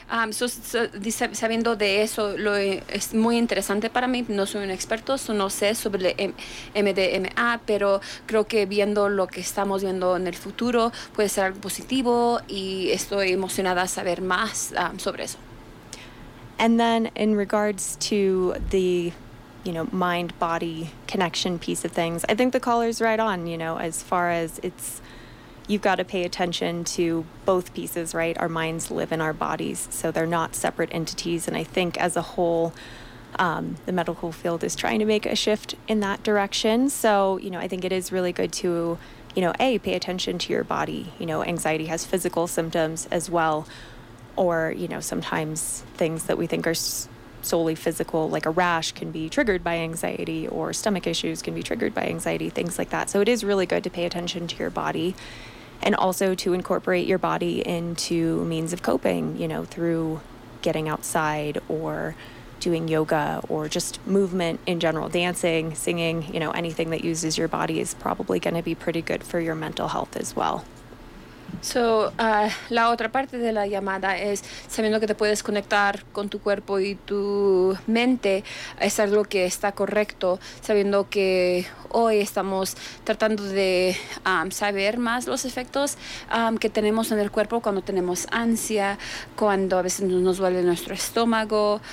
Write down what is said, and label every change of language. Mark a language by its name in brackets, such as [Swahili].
[Spanish] Sabiendo de eso, es muy interesante para mí. No soy un experto, no sé sobre MDMA, pero creo que viendo lo que estamos viendo en el futuro puede ser algo positivo y estoy emocionada a saber más sobre eso. [English] And then in regards to the, you know, mind-body connection piece of things, I think the caller's right on, you know, as far as it's, you've got to pay attention to both pieces, right? Our minds live in our bodies, so they're not separate entities. And I think as a whole, the medical field is trying to make a shift in that direction. So, you know, I think it is really good to, you know, A, pay attention to your body. You know, anxiety has physical symptoms as well. Or, you know, sometimes things that we think are solely physical, like a rash can be triggered by anxiety, or stomach issues can be triggered by anxiety, things like that. So it is really good to pay attention to your body and also to incorporate your body into means of coping, you know, through getting outside or doing yoga or just movement in general, dancing, singing, you know, anything that uses your body is probably going to be pretty good for your mental health as well. [Spanish] So, la otra parte de la llamada es sabiendo que te puedes conectar con tu cuerpo y tu mente, es algo que está correcto, sabiendo que hoy estamos tratando de saber más los efectos que tenemos en el cuerpo cuando tenemos ansia, cuando a veces nos duele nuestro estómago.